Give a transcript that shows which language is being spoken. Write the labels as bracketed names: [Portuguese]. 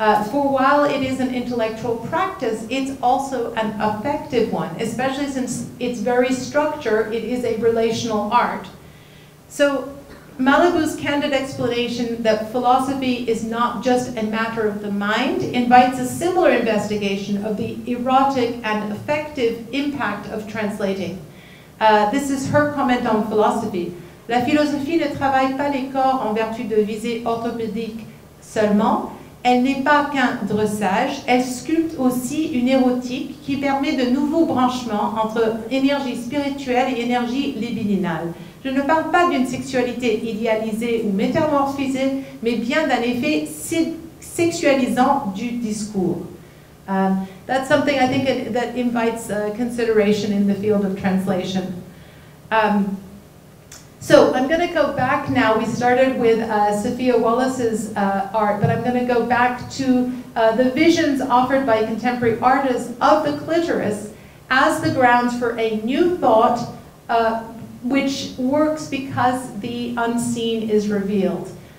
[English] For while it is an intellectual practice, it's also an affective one, especially since its very structure, it is a relational art. So Malabou's candid explanation that philosophy is not just a matter of the mind invites a similar investigation of the erotic and affective impact of translating. This is her comment on philosophy. [French] La philosophie ne travaille pas les corps en vertu de visées orthopédiques seulement. Elle n'est pas qu'un dressage. Elle sculpte aussi une érotique qui permet de nouveaux branchements entre énergie spirituelle et énergie libidinale. Je ne parle pas d'une sexualité idéalisée ou métamorphisée, mais bien d'un effet sexualisant du discours. [English] That's something I think that invites consideration in the field of translation. So I'm going to go back now. We started with Sophia Wallace's art, but I'm going to go back to the visions offered by contemporary artists of the clitoris as the grounds for a new thought which works because the unseen is revealed.